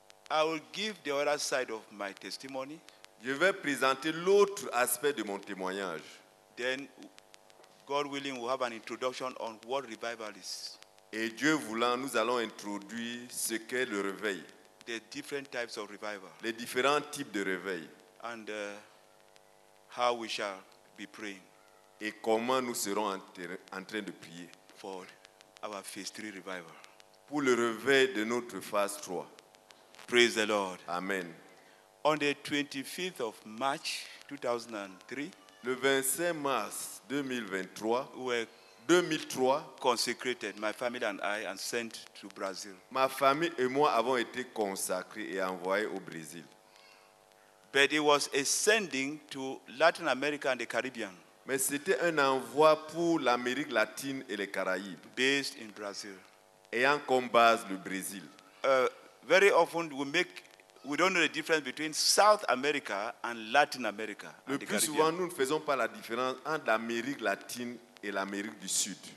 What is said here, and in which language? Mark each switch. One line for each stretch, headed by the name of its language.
English: I will give the other side of my testimony.
French: Je vais présenter l'autre aspect de mon témoignage.
English: Then, God willing, we'll have an introduction on what revival is.
French: Et Dieu voulant, nous allons introduire ce qu'est le réveil.
English: The different types of revival.
French: Les différents types de réveil.
English: And how we shall be praying.
French: Et comment nous serons en train de prier.
English: For our phase 3 revival.
French: Pour le réveil de notre phase 3.
English: Praise the Lord. Amen. On the 25th of March 2003.
French: Le 25 mars 2023.
English: 2003, consecrated, my family and I, and sent to Brazil.
French: Ma famille et moi avons été consacrés et envoyés au Brésil.
English: But it was a sending to Latin America and the Caribbean.
French: Mais c'était un envoi pour l'Amérique latine et les Caraïbes.
English: Based in Brazil.
French: Ayant comme base le Brésil.
English: Very often we don't know the difference between South America and Latin America.
French: Le plus souvent, nous ne faisons pas la différence entre l'Amérique latine et l'Amérique du Sud.